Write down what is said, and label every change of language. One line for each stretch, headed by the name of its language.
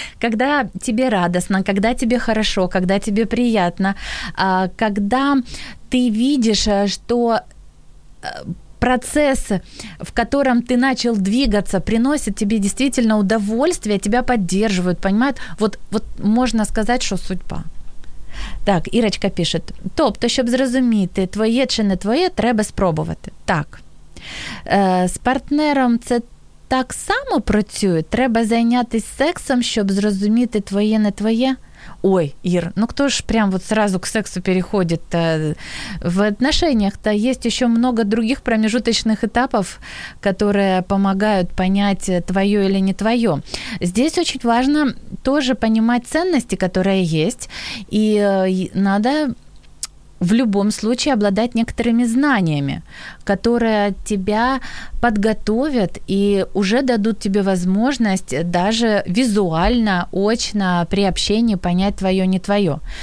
Russian: Когда тебе радостно, когда тебе хорошо, когда тебе приятно, когда ты видишь, что процесс, в котором ты начал двигаться, приносит тебе действительно удовольствие, тебя поддерживают, понимают. Вот можно сказать, что судьба. Так, Ирочка пишет.
Ukrainian: Тобто, щоб зрозуміти, твоє чи не твоє, треба спробувати. Так. З партнером це так само працює? Треба зайнятися сексом, щоб зрозуміти, твоє, не твоє?
Russian: Ой, Ир, кто ж прям вот сразу к сексу переходит? В отношениях-то есть еще много других промежуточных этапов, которые помогают понять, твое или не твое. Здесь очень важно тоже понимать ценности, которые есть, и надо в любом случае обладать некоторыми знаниями, которые тебя подготовят и уже дадут тебе возможность даже визуально, очно при общении понять твое, не твое.